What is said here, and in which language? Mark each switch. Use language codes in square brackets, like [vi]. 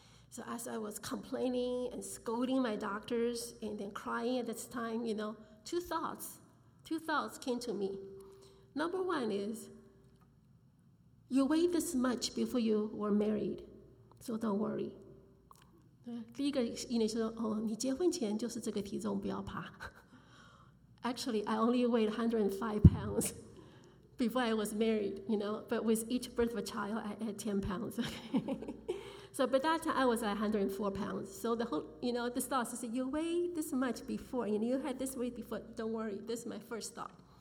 [en] So as I was complaining and scolding my doctors and then crying at this time, you know, two thoughts came to me. Number one is, you wait this much before you were married, so don't worry. [zh] 第一个意念就是说，哦，你结婚前就是这个体重，不要怕。 [en] Actually, I only weighed 105 pounds before I was married, you know, but with each birth of a child, I had 10 pounds, okay? So by that time, I was like 104 pounds. So the whole, you know, this thought, so you weigh this much before, you know, you had this weight before, don't worry, this is my first thought.